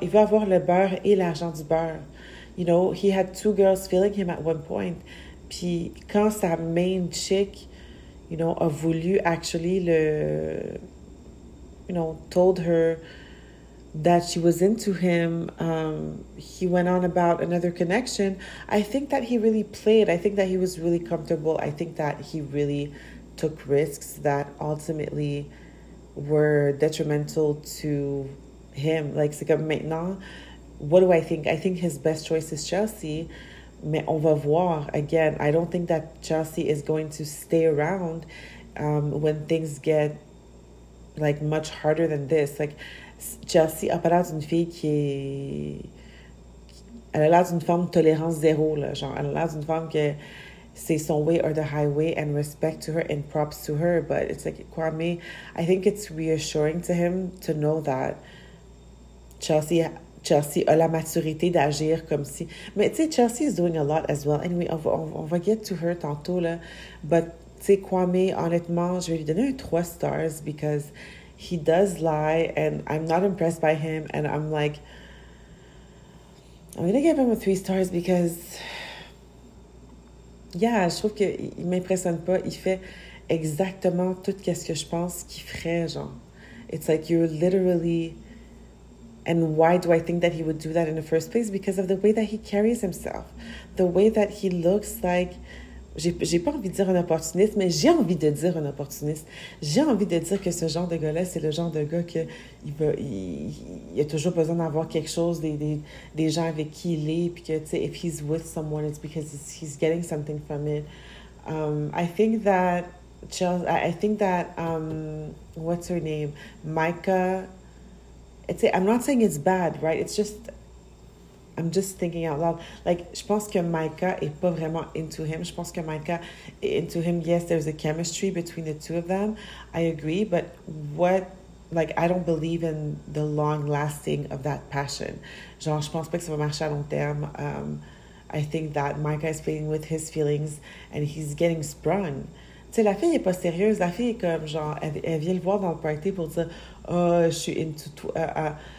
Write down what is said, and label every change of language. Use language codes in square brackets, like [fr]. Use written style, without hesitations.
[fr] Il veut avoir le beurre et l'argent du beurre. [en] You know, he had 2 girls feeling him at one point. [fr] Puis quand sa main chick, [en] you know, [fr] a voulu [en] actually le, you know, told her that she was into him, he went on about another connection. I think that he really played. I think that he was really comfortable. I think that he really took risks that ultimately were detrimental to him. Like, [fr] c'est comme maintenant, [en] what do I think? I think his best choice is Chelsea. [fr] Mais on va voir. [en] Again, I don't think that Chelsea is going to stay around when things get, like, much harder than this. [fr] Like, Chelsea a pas l'air d'une fille qui est, elle a l'air d'une femme tolérance zéro, là. Genre, elle a l'air d'une femme que c'est son [en] way or the highway, and respect to her and props to her. But it's like, Kwame, I think it's reassuring to him to know that [fr] Chelsea a la maturité d'agir comme si. Mais tu sais, [en] Chelsea is doing a lot as well. Anyway, [fr] on va [en] get to her [fr] tantôt, là. [en] But [fr] tu sais, Kwame, honnêtement, je vais lui donner un [en] 3 stars because he does lie and I'm not impressed by him. And I'm like, I'm gonna give him a 3 stars because, yeah, [fr] je trouve qu'il m'impressionne pas. Il fait exactement tout ce que je pense qu'il ferait, genre. [en] It's like you're literally. And why do I think that he would do that in the first place? Because of the way that he carries himself. The way that he looks like... [fr] J'ai pas envie de dire un opportuniste, mais j'ai envie de dire un opportuniste. J'ai envie de dire que ce genre de gars-là, c'est le genre de gars que il a toujours besoin d'avoir quelque chose, des gens avec qui il est, puis que, tu sais, [en] if he's with someone, it's because he's getting something from it. I think that what's her name? Micah... I'm not saying it's bad, right? It's just, I'm just thinking out loud. [fr] Like, je pense que Micah est pas vraiment into him. Je pense que Micah est into him. [en] Yes, there's a chemistry between the two of them. I agree. But what, like, I don't believe in the long lasting of that passion. [fr] Genre, je pense pas que ça va marcher à long terme. [en] I think that Micah is playing with his feelings and he's getting sprung. [fr] Tu sais, la fille est pas sérieuse. La fille est comme, genre, elle vient le voir dans le party pour dire, oh, je suis into toi.